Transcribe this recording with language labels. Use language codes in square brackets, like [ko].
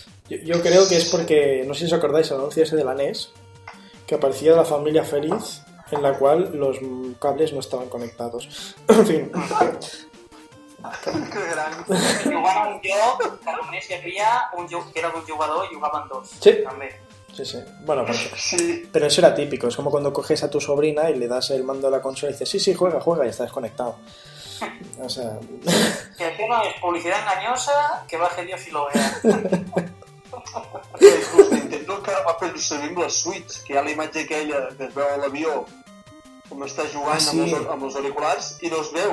[ca] Jo crec que és perquè, no sé si us acordeu, l'anunci ese de la NES, que aparecia de la família Feliz, en la qual los cables no estaven connectats. En fi... Que gran. Jugava un joc, que només hi havia un joc que era d'un jugador i jugaven dos. Sí. També. [es] Sí. Sí. Bueno, porque... sí. Pero eso era típico. Es como cuando coges a tu sobrina y le das el mando a la consola y dices, sí, sí, juega, juega, y está desconectado. O sea... Que el tema es publicidad engañosa, que baje Dios y lo vea. [ca] Nintendo encara va fer servir amb la Switch, que hi ha la imatge aquella que es veu a l'avió com està jugant ah, sí. Amb els auriculars i no es veu